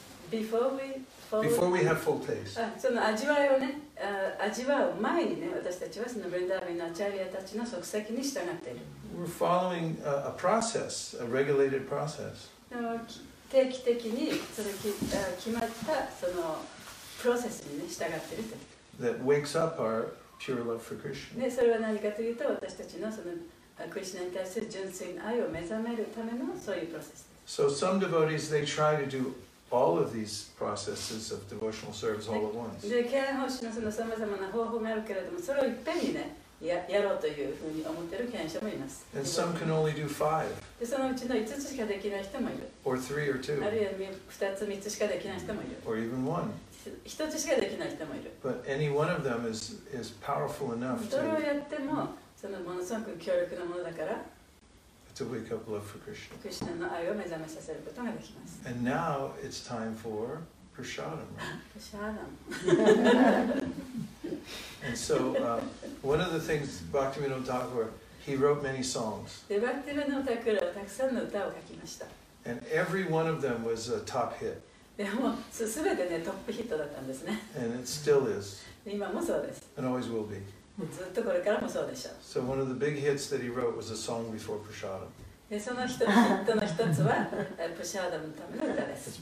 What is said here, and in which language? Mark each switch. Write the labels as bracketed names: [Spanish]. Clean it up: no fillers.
[English] Before we have full taste. [Japanese] その味わいをね、味わう前にね、私たちはそのブリンダーヴァンのアチャーリアたちの足跡に従っている。 [English] We're following a process, a regulated process. [Japanese] 定期的にその決まったそのプロセスに、ね、従っていると。 [English] That wakes up our pure love for Krishna. [Japanese] それは何かというと、私たちのそのクリシナに対する純粋な愛を目覚めるためのそういうプロセス。 [English] So some devotees, they try to do all of these processes of devotional service all at once. [Japanese] で、啓蒙師のそのさまざまな方法があるけれども、それをいっぺんにね、やろうというふうに思っている啓蒙師もいます。 [English] And some can only do five. [Japanese] で、そのうちの5つしかできない人もいる。 [English] Or three or two. [Japanese] あるいは2つ、3つしかできない人もいる。 [English] Or even one. [Japanese] 一つしかできない人もいる。 [English] But any one of them is powerful enough to. [Japanese] どれをやっても、そのものすごく強力なものだから。 [English] To wake up love for Krishna. [Japanese] Krishna の愛を目覚めさせることができます。 [English] And now it's time for prasadam. Prasadam. And so, one of the things Bhaktivinoda Thakur, he wrote many songs. [Japanese] で、Bhaktivinoda Thakur はたくさんの歌を書きました。 [English] And every one of them was a top hit. [Japanese] でも、そう、すべてね、トップヒットだったんですね。 [English] And it still is. [Japanese] 今もそうです。 [English] And always will be. [Japanese] ずっとこれからもそうでしょう。 [English] So one of the big hits that he wrote was a song before Prasadam. [Japanese] でそのヒットの一つは、Prasadam のための歌です。